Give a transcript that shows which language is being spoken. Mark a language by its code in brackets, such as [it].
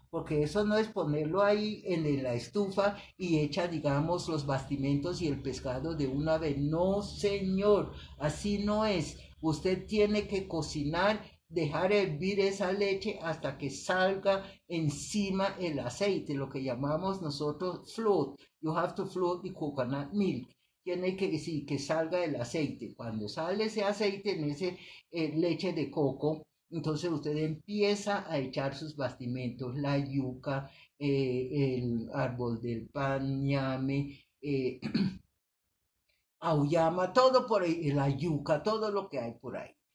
[es] Porque eso no es ponerlo ahí en la estufa y echa, digamos, los bastimentos y el pescado de una vez. No, señor, así no es. Usted tiene que cocinar dejar hervir esa leche hasta que salga encima el aceite, lo que llamamos nosotros float. [en] You have to float the coconut milk. [es] Tiene que decir que salga el aceite. Cuando sale ese aceite en ese leche de coco, entonces usted empieza a echar sus bastimentos, la yuca, el árbol del pan, ñame, auyama, todo por ahí, la yuca, todo lo que hay por ahí.